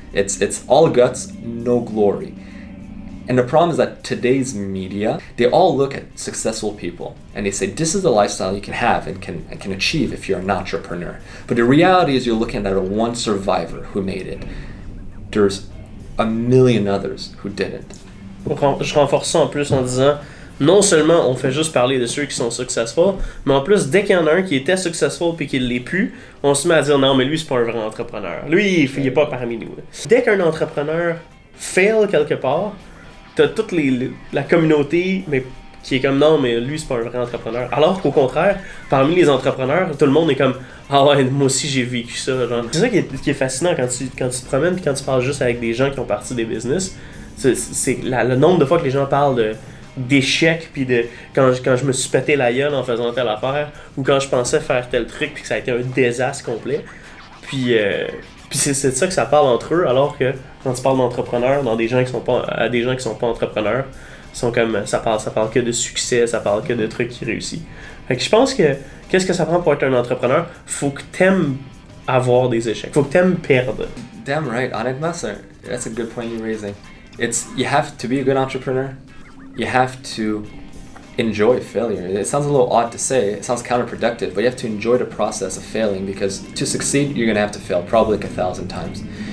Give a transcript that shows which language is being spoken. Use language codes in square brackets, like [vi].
[en] It's all guts, no glory. And the problem is that today's media, they all look at successful people and they say, this is the lifestyle you can have and can achieve if you're an entrepreneur. But the reality is you're looking at a one survivor who made it. There's a million others who didn't. [fr] Je renforce ça en plus en disant, non seulement on fait juste parler de ceux qui sont successful, mais en plus, dès qu'il y en a un qui était successful puis qu'il l'est plus, on se met à dire, non, mais lui, c'est pas un vrai entrepreneur. Lui, il est pas parmi nous. Dès qu'un entrepreneur fail quelque part, t'as toute la communauté mais qui est comme, non, mais lui, c'est pas un vrai entrepreneur. Alors qu'au contraire, parmi les entrepreneurs, tout le monde est comme, ah ouais, moi aussi j'ai vécu ça. Genre. C'est ça qui est fascinant quand tu te promènes et quand tu parles juste avec des gens qui ont parti des business. C'est le nombre de fois que les gens parlent d'échecs puis de quand je me suis pété la gueule en faisant telle affaire ou quand je pensais faire tel truc puis que ça a été un désastre complet. Puis c'est de ça que ça parle entre eux, alors que quand tu parles d'entrepreneurs, dans des gens qui sont pas, à des gens qui sont pas entrepreneurs, sont comme ça parle que de succès, ça parle que de trucs qui réussissent. Fait que je pense que qu'est-ce que ça prend pour être un entrepreneur? Faut que t'aimes avoir des échecs. Faut que t'aimes perdre. [en] Damn right, honnêtement, that's a good point you're raising. You have to be a good entrepreneur. You have to enjoy failure. It sounds a little odd to say, it sounds counterproductive, but you have to enjoy the process of failing because to succeed, you're gonna have to fail probably like 1,000 times.